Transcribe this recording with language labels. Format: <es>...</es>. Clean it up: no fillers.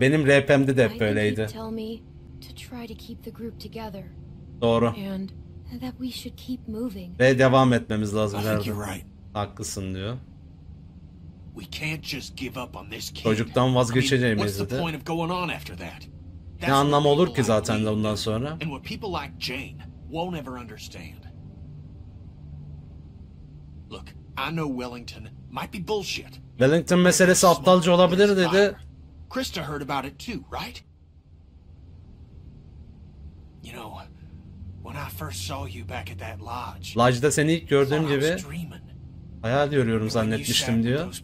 <tr>Benim RP'mde de hep böyleydi.</tr> <en>Tell me to try to keep the group together.</en> <tr>Doğru.</tr> <en>And that we should keep moving.</en> <tr>Ve devam etmemiz lazım derdi.</tr> <en>You're right.</en> <tr>Haklısın diyor.</tr> <en>We can't just give up on this kid.</en> <tr>Çocuktan vazgeçeceğimiz dedi.</tr> <en>What's the point of going on after that?</en> <tr>Ne anlamı olur ki zaten de bundan sonra?</tr> <en>And what people like Jane won't ever understand. Look, I know Wellington might be bullshit.</en> <tr>Wellington meselesi aptalca olabilir dedi.</tr> <en>Krista heard about it too, right? You know, when I first saw you back at that lodge.</en> <tr>Lodge'da seni ilk gördüğüm gibi hayal görüyorum zannetmiştim diyor.</tr>